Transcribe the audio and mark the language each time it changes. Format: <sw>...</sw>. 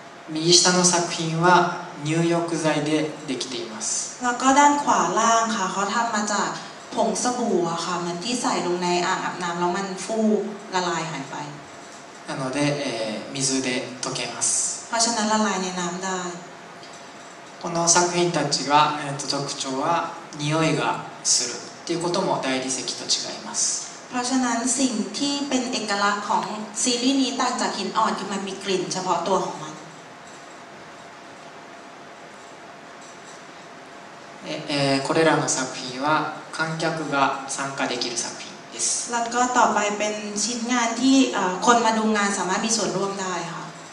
<ja>migi shita の作品は入浴剤でできています</ja> <th>แล้วก็ด้านขวาล่างค่ะเขาทำมาจากผงสบู่ค่ะเหมือนที่ใส่ลงในอ่างอาบน้ำแล้วมันฟูละลายหายไป</th> <ja>なので水で溶けます</ja> <th>เพราะฉะนั้นละลายในน้ำได้</th> <ja>この作品たちが特徴は匂いがするっていうことも大理石と違います。</ja> <th>เพราะฉะนั้นสิ่งที่เป็นเอกลักษณ์ของซีรีส์นี้ต่างจากหินอ่อนคือมันมีกลิ่นเฉพาะตัวของมัน。</th> <ja>これらの作品は観客が参加できる作品です。</ja> <th>แล้วก็ต่อไปเป็นชิ้นงานที่คนมาดูงานสามารถมีส่วนร่วมได้ค่ะ。</th>